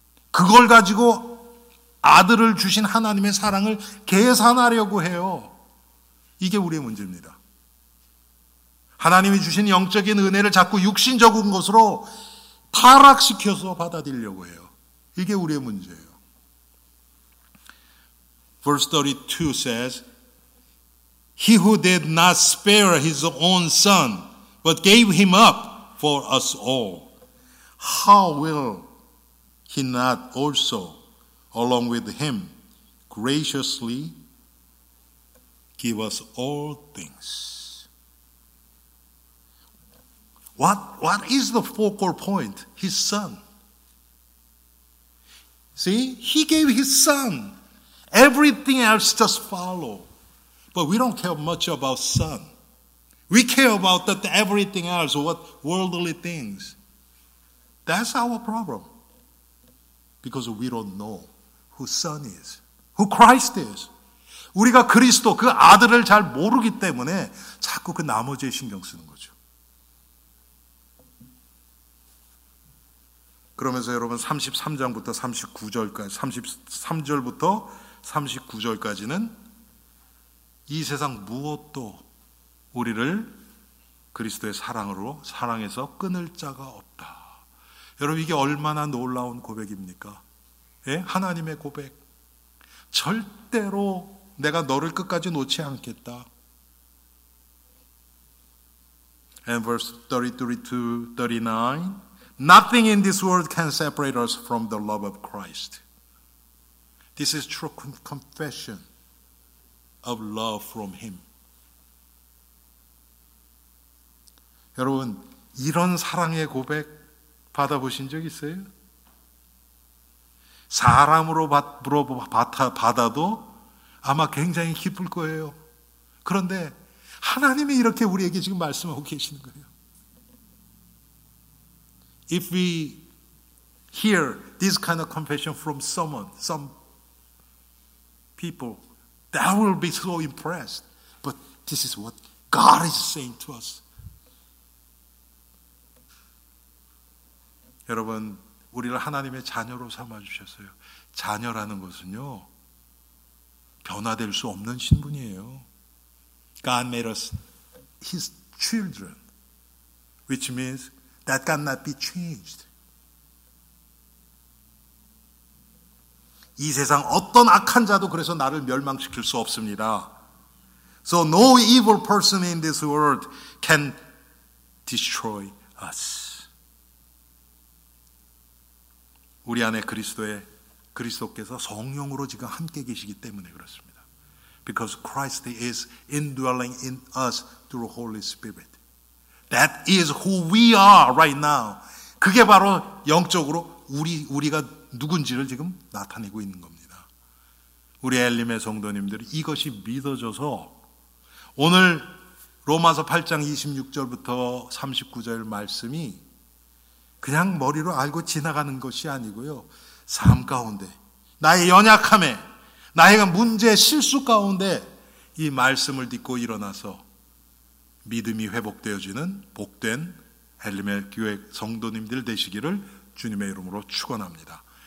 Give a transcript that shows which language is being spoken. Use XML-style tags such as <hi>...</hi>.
<ko>그걸 가지고 아들을 주신 하나님의 사랑을 계산하려고 해요. 이게 우리의 문제입니다. 하나님이 주신 영적인 은혜를 자꾸 육신적인 것으로 타락시켜서 받아들이려고 해요. 이게 우리의 문제예요.</ko> <en>Verse 32 says, He who did not spare his own son, but gave him up for us all, how will he not also, along with him, graciously give us all things? What is the focal point? His son. See, he gave his son. Everything else just follow. But we don't care much about son. We care about that everything else, what worldly things. That's our problem. Because we don't know who son is, who Christ is.</en> <ko>우리가 그리스도, 그 아들을 잘 모르기 때문에 자꾸 그 나머지에 신경 쓰는 거죠. 그러면서 여러분 33장부터 39절까지, 33절부터 39절까지는 이 세상 무엇도 우리를 그리스도의 사랑으로 사랑해서 끊을 자가 없다. 여러분 이게 얼마나 놀라운 고백입니까? 예? 하나님의 고백. 절대로 내가 너를 끝까지 놓지 않겠다.</ko> <en>And verse 33-39, Nothing in this world can separate us from the love of Christ. This is true confession of love from him.</en> <ko>여러분, 이런 사랑의 고백 받아보신 적 있어요? 사람으로 받아도 아마 굉장히 기쁠 거예요. 그런데 하나님이 이렇게 우리에게 지금 말씀하고 계시는 거예요.</ko> <en>If we hear this kind of confession from some people, that will be so impressed. But this is what God is saying to us.</en> <ko>여러분, 우리를 하나님의 자녀로 삼아주셨어요. 자녀라는 것은요, 변화될 수 없는 신분이에요.</ko> <en>God made us his children, which means that cannot be changed.</en> <ko>이 세상 어떤 악한 자도 그래서 나를 멸망시킬 수 없습니다.</ko> <en>So no evil person in this world can destroy us.</en> <ko>우리 안에 그리스도께서 성령으로 지금 함께 계시기 때문에 그렇습니다.</ko> <en>Because Christ is indwelling in us through Holy Spirit. That is who we are right now.</en> <ko>그게 바로 영적으로 우리가 누군지를 지금 나타내고 있는 겁니다. 우리 엘림의 성도님들, 이것이 믿어져서 오늘 로마서 8장 26절부터 39절 말씀이 그냥 머리로 알고 지나가는 것이 아니고요, 삶 가운데, 나의 연약함에, 나의 문제, 실수 가운데 이 말씀을 듣고 일어나서 믿음이 회복되어지는 복된 엘림의 교회 성도님들 되시기를 주님의 이름으로 축원합니다.</ko>